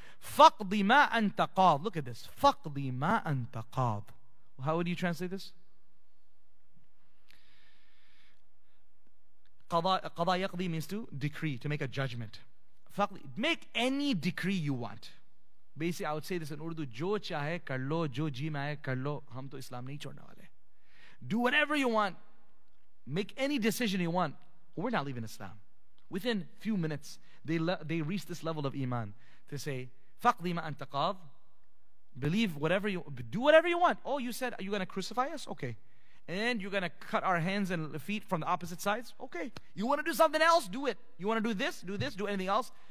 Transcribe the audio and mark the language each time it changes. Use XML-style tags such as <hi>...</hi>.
<ar>فَقْضِ مَا أَنْتَ قَاضٍ.</ar> <en>Look at this.</en> <ar>فَقْضِ مَا أَنْتَ قَاضٍ.</ar> <en>How would you translate this?</en> <ar>قَضَى يَقْضِ</ar> <en>means to decree, to make a judgment. فَقْضِ, make any decree you want. Basically, I would say this in Urdu,</en> <ur>جو چاہے کر لو, جو جی میں آئے کر لو, ہم تو اسلام نہیں چھوڑنا والے.</ur> <en>Do whatever you want. Make any decision you want. We're not leaving Islam. Within a few minutes, they reach this level of iman to say,</en> <ar>فَقْضِ مَا أَنْتَ قَاضٍ.</ar> <en>Believe whatever you, do whatever you want. Oh, you said, are you going to crucify us? Okay. And you're going to cut our hands and feet from the opposite sides? Okay. You want to do something else? Do it. You want to do this? Do this? Do anything else?</en>